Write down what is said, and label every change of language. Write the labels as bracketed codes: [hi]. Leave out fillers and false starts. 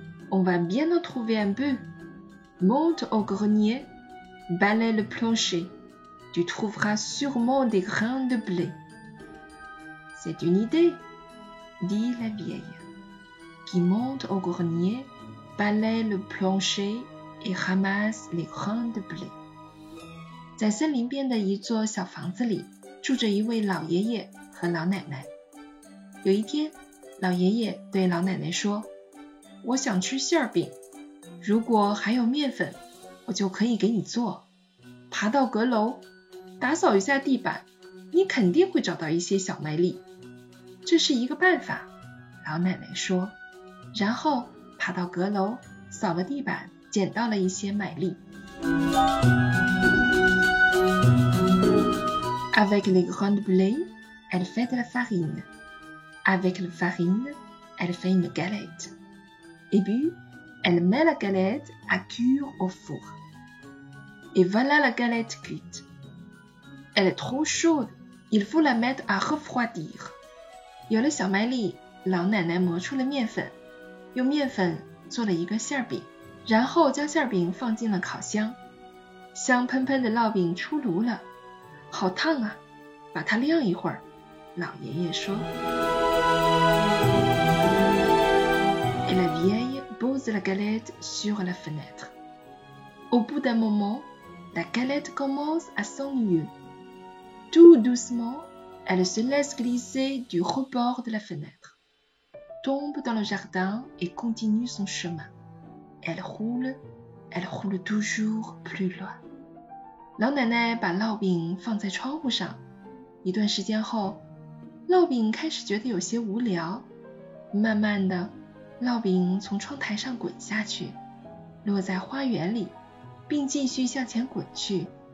[fr] On va bien en trouver un peu. Monte au grenier, balaie le plancher. Tu trouveras sûrement des grains de blé. « C'est une idée !» dit la vieille, qui monte au grenier, balaie le plancher et ramasse les grains de blé. [zh] 在森林边的一座小房子里，住着一位老爷爷和老奶奶。有一天，老爷爷对老奶奶说，我想吃馅饼，如果还有面粉，我就可以给你做。爬到阁楼，打扫一下地板，你肯定会找到一些小麦粒。这是一个办法，老奶奶说，然后爬到阁楼，扫了地板，捡到了一些麦粒。 [fr] Avec les grains de blé, elle fait de la farine. Avec la farine, elle fait une galette. Et puis, elle met la galette à cuire au four. Et voilà la galette cuite. Elle est trop chaude, il faut la mettre à refroidir. [zh] 有了小麦粒，老奶奶磨出了面粉，用面粉做了一个馅饼，然后将馅饼放进了烤箱。香喷喷的烙饼出炉了，好烫啊，把它晾一会儿，老爷爷说。 [fr] Et la vieille pose la galette sur la fenêtre. Au bout d'un moment, la galette commence à s'ennuyer. Tout doucementElle se laisse glisser du rebord de la fenêtre, tombe dans le jardin et continue son chemin. Elle roule toujours plus loin. [zh] 老奶奶把烙饼放在窗户上，一段时间后，烙饼开始觉得有些无聊。慢慢的，烙饼从窗台上滚下去，落在花园里，并继续向前滚去。